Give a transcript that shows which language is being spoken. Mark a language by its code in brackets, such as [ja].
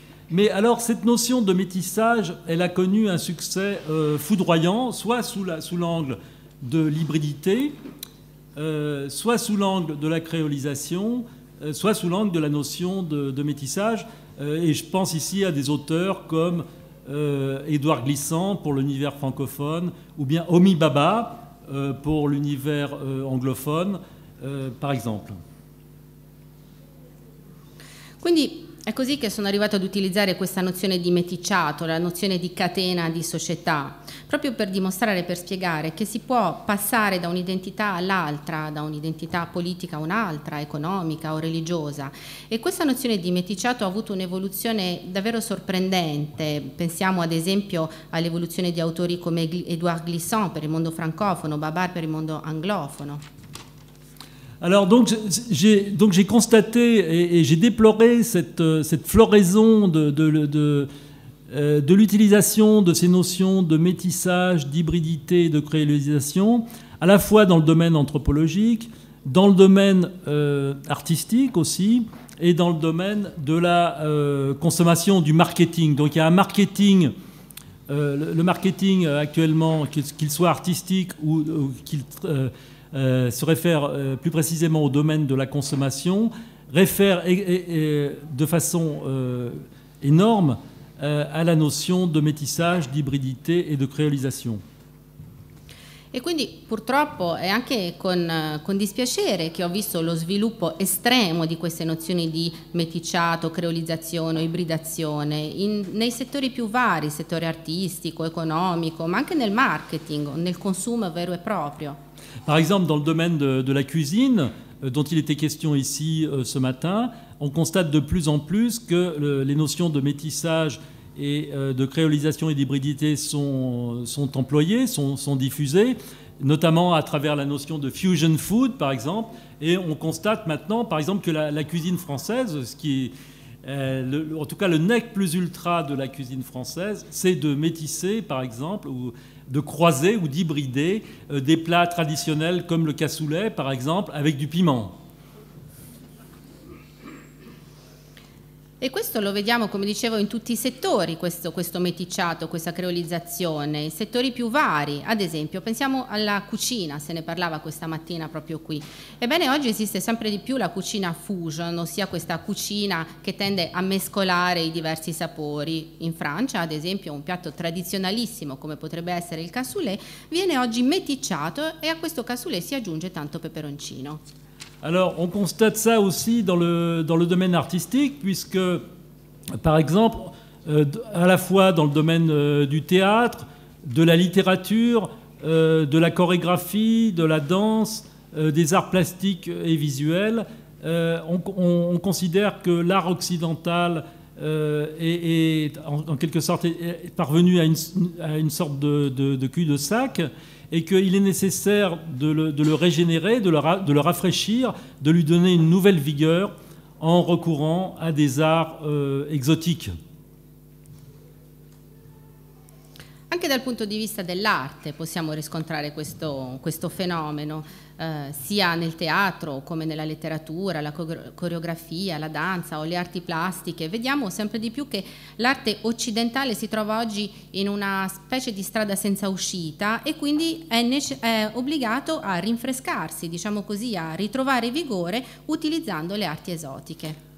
[fr] Mais alors cette notion de métissage, elle a connu un succès foudroyant, soit sous l'angle de l'hybridité, soit sous l'angle de la créolisation, soit sous l'angle de la notion de métissage. Et je pense ici à des auteurs comme Édouard Glissant pour l'univers francophone, ou bien Omi Baba pour l'univers anglophone, par exemple. [it] Quindi è così che sono arrivato ad utilizzare questa nozione di meticciato, la nozione di catena di società, proprio per dimostrare, per spiegare che si può passare da un'identità all'altra, da un'identità politica a un'altra, economica o religiosa. E questa nozione di meticciato ha avuto un'evoluzione davvero sorprendente. Pensiamo ad esempio all'evoluzione di autori come Édouard Glissant per il mondo francofono, Babar per il mondo anglofono. [fr] Alors donc j'ai constaté et j'ai déploré cette floraison de l'utilisation de ces notions de métissage, d'hybridité, de créolisation, à la fois dans le domaine anthropologique, dans le domaine artistique aussi, et dans le domaine de la consommation, du marketing. Donc il y a un marketing, le marketing actuellement, qu'il soit artistique ou qu'il se réfère plus précisément au domaine de la consommation, réfère de façon énorme à la notion de métissage, d'hybridité et de créolisation. [it] E quindi purtroppo è anche con dispiacere che ho visto lo sviluppo estremo di queste nozioni di meticciato, creolizzazione, ibridazione nei settori più vari, settore artistico, economico, ma anche nel marketing, nel consumo vero e proprio. [fr] Par exemple, dans le domaine de la cuisine, dont il était question ici ce matin, on constate de plus en plus que les notions de métissage et de créolisation et d'hybridité sont employées, sont diffusées, notamment à travers la notion de fusion food, par exemple. Et on constate maintenant, par exemple, que la cuisine française, ce qui est, en tout cas le nec plus ultra de la cuisine française, c'est de métisser, par exemple, ou de croiser ou d'hybrider des plats traditionnels comme le cassoulet, par exemple, avec du piment. [it] E questo lo vediamo, come dicevo, in tutti i settori, questo meticciato, questa creolizzazione, i settori più vari. Ad esempio, pensiamo alla cucina, se ne parlava questa mattina proprio qui. Ebbene, oggi esiste sempre di più la cucina fusion, ossia questa cucina che tende a mescolare i diversi sapori. In Francia, ad esempio, un piatto tradizionalissimo, come potrebbe essere il cassoulet, viene oggi meticciato e a questo cassoulet si aggiunge tanto peperoncino. [fr] Alors, on constate ça aussi dans le domaine artistique, puisque, par exemple, à la fois dans le domaine du théâtre, de la littérature, de la chorégraphie, de la danse, des arts plastiques et visuels, on considère que l'art occidental est en quelque sorte est parvenu à une sorte de cul-de-sac, et qu'il est nécessaire de le régénérer, de le rafraîchir, de lui donner une nouvelle vigueur en recourant à des arts exotiques. [it] Anche dal punto di vista dell'arte possiamo riscontrare questo fenomeno, sia nel teatro come nella letteratura, la coreografia, la danza o le arti plastiche. Vediamo sempre di più che l'arte occidentale si trova oggi in una specie di strada senza uscita e quindi è obbligato a rinfrescarsi, diciamo così, a ritrovare vigore utilizzando le arti esotiche.